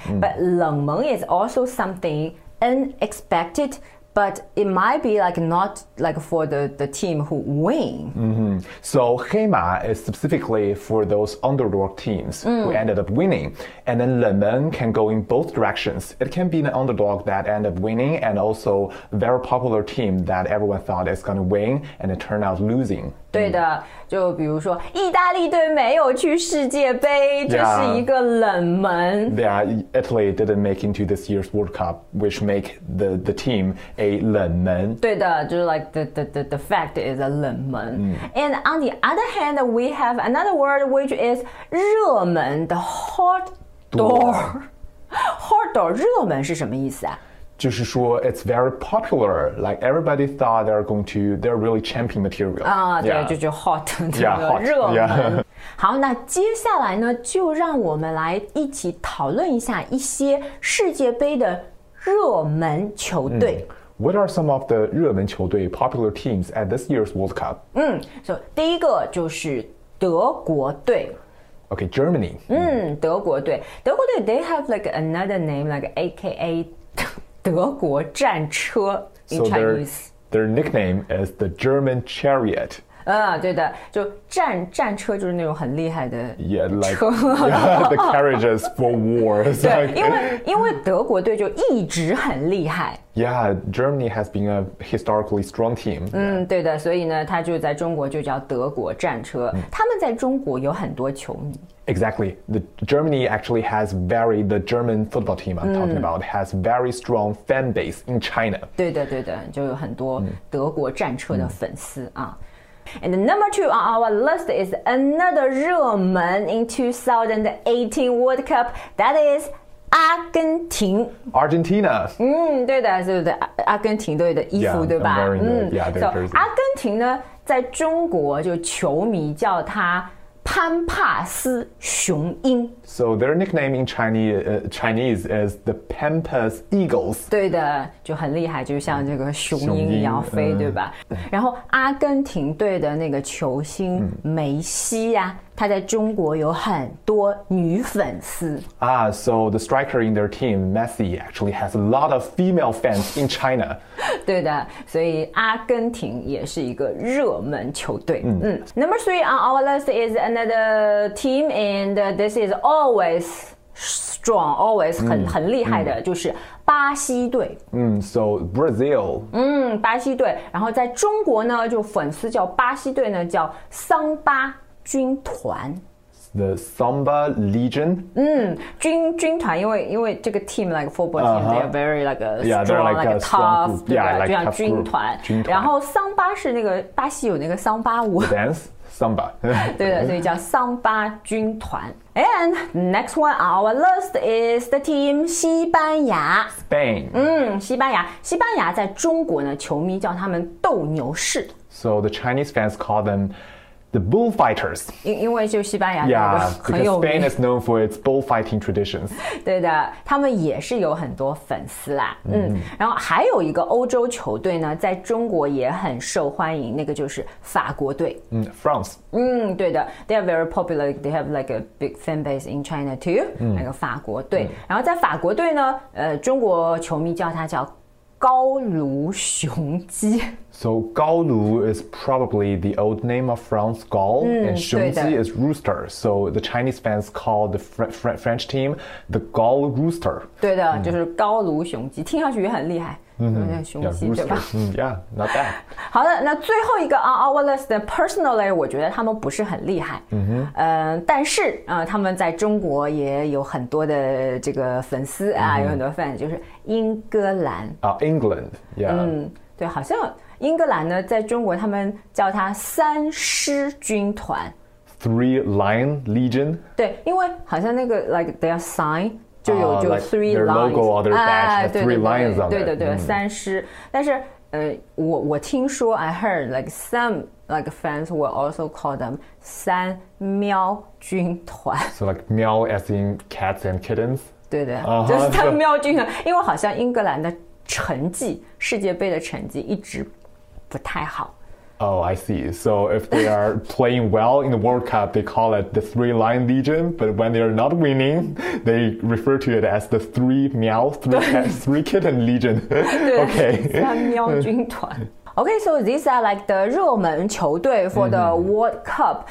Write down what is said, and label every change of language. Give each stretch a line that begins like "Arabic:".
English: But 冷门 is also something unexpected, but it might be like not like for the team who win. So 黑马 is specifically for those underdog teams who ended up winning. And then 冷门 can go in both directions. It can be an underdog that ended up winning and also a very popular team that everyone thought is going to win and it turned out losing.
Chinese: 对的，就比如说意大利队没有去世界杯，这是一个冷门。
English: Yeah, Italy didn't make into this year's World Cup, which make the team a 冷门。
Chinese: 对的，就是
English: like the fact is a 冷门。 And on the other hand, we have another word which is 热门, the hot door. Hot door, 热门是什么意思啊？
Chinese: 就是说
English: it's very popular, like everybody thought they're really champion material.
Chinese: 啊、对就就 hot, 这个
English: yeah, hot,
Chinese: 热门。
English: Yeah.
Chinese: 好那接下来呢就让我们来一起讨论一下一些世界杯的热门球队。嗯
English: What are some of the 热门球队 popular teams at this year's World Cup?
Chinese: 嗯，所以第一个就是德国队。
English: Okay, Germany. 嗯，德国队，德国队 they have like another name, like AKA 德国战车 in Chinese. Their nickname is the German Chariot.
Chinese: 嗯，对的，就战车就是那种很厉害的车。
English: Yeah, like yeah, the carriages for war.
Chinese: 对，因为德国队就一直很厉害。
English: Yeah, Germany has been a historically strong team.
Chinese: 嗯，对的，所以呢，他就在中国就叫德国战车。他们在中国有很多球迷。
English: Exactly, the German football team I'm talking about has very strong fan base in China.
Chinese: 对的，对的，就有很多德国战车的粉丝啊。
English: And number two on our list is another 热门 in 2018 World Cup. That is. 阿根廷 Argentina
Chinese: 嗯对的就是阿根廷队的衣服
English: yeah,
Chinese: 对吧
English: 嗯 yeah,
Chinese: so, 阿根廷呢在中国就球迷叫他潘帕斯雄鹰
English: So their nickname in Chinese is the Pampas Eagles
Chinese: 对的就很厉害就像这个雄鹰一样飞对吧然后阿根廷队的那个球星梅西啊他在中国有很多女粉丝
English: Ah, so the striker in their team, Messi, actually has a lot of female fans in China
Chinese: 对的所以阿根廷也是一个热门球队、
English: Number three on our list is another team and this is always strong, always
Chinese: 很厉害的就是巴西队
English: So Brazil
Chinese: 巴西队然后在中国呢就粉丝叫巴西队呢叫桑巴军团
English: The Samba Legion
Chinese: 军团因为这个
English: team like football team、they are very like a strong yeah, they're like a tough strong group.
Chinese: 对吧
English: yeah, like
Chinese: 就像军团然后桑巴是那个巴西有那个桑巴舞
English: The dance Samba
Chinese: 对的所以叫桑巴军团
English: And next one on our list is the team 西班牙 Spain
Chinese: 西班牙在中国呢球迷叫他们斗牛士
English: So the Chinese fans call themThe bullfighters.
Chinese: 因为就西班牙有个很有名。
English: Yeah, because Spain is known for its bullfighting traditions.
Chinese: 对的，他们也是有很多粉丝啦。然后还有一个欧洲球队呢，在中国也很受欢迎，那个就是法国队。
English: France.
Chinese: 对的
English: ，they are very popular. They have like a big fan base in China too.
Chinese: 那个法国队。然后在法国队呢，中国球迷叫他叫。高卢雄鸡
English: So 高卢 is probably the old name of France Gaul and 雄鸡 is rooster So the Chinese fans call the French team the Gaul Rooster
Chinese: 对的就是高卢雄鸡听上去也很厉害
English: 雄鸡 yeah,
Chinese: 对吧、
English: yeah, not bad
Chinese: 好的那最后一个
English: on our list personally
Chinese: 我觉得他们不是很厉害、但是、他们在中国也有很多的这个粉丝、有很多 fans 就是英格兰
English: England、yeah.
Chinese: 对好像英格兰呢在中国他们叫它三狮军团
English: Three Lion Legion
Chinese: 对因为好像那个
English: like their signJust like three their lines. Logo or their badge has three
Chinese: 对对对
English: lions on
Chinese: 对对对
English: it. 三狮。
Chinese: 但是我听说
English: I heard like some like fans will also call them 三喵军团。 So like 喵 as in cats and kittens?
Chinese: 对的、就是三喵军团。因为好像英格兰的成绩世界杯的成绩一直不太好。
English: Oh, I see. So if they are playing well in the World Cup, they call it the Three Lion Legion. But when they are not winning, they refer to it as the Three Meow, Three Kitten Legion. Okay. 三喵军团. Okay, so these are like the 热门球队 for the World Cup.